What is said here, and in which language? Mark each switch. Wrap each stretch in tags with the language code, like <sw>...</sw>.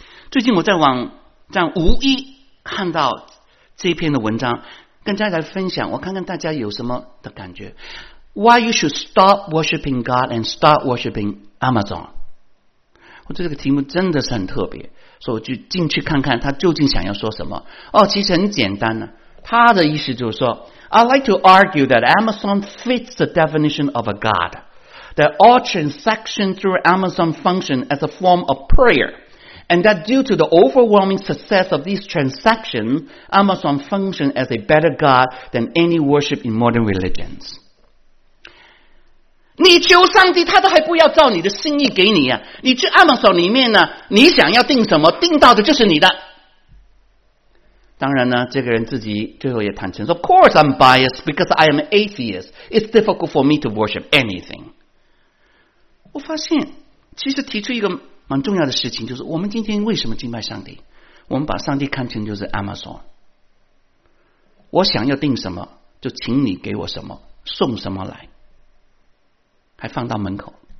<zh>最近我在网站无意看到这篇的文章，跟大家来分享，我看看大家有什么的感觉。</zh> <en>Why you should stop worshiping God and start worshiping Amazon，</en> <zh>我这个题目真的是很特别，所以我就进去看看他究竟想要说什么。哦，其实很简单呢，他的意思就是说，</zh> <en>I like to argue that Amazon fits the definition of a God, that all transactions through Amazon function as a form of prayer, and that due to the overwhelming success of these transactions, Amazon functions as a better God than any worship in modern religions.</en> <zh>你求上帝，他都还不要照你的心意给你啊，你去 Amazon 里面呢，你想要订什么，订到的就是你的。当然呢，这个人自己最后也坦诚说 ,</zh> <en>Of course I'm biased because I am an atheist. It's difficult for me to worship anything.</en> <zh>我发现其实提出一个蛮重要的事情，就是我们今天为什么敬拜上帝，我们把上帝看成就是 Amazon。我想要订什么就请你给我什么，送什么来，还放到门口。</zh>